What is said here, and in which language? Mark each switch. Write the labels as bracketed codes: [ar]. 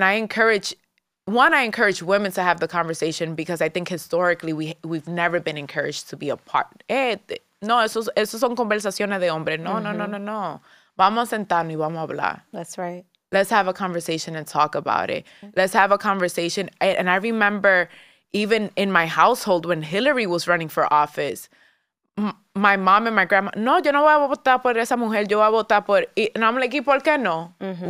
[en] I encourage women to have the conversation because I think historically we've never been encouraged to be a part. [es] Eso son conversaciones de hombres. No, mm-hmm. no. Vamos a sentarnos y vamos a hablar. [en] That's right. Let's have a conversation and talk about it. Let's have a conversation. And I remember even in my household when Hillary was running for office, my mom and my grandma, [es] no, yo no voy a votar por esa mujer. Yo voy a votar por... [en] And I'm like, [es] ¿y por qué no? Mm-hmm.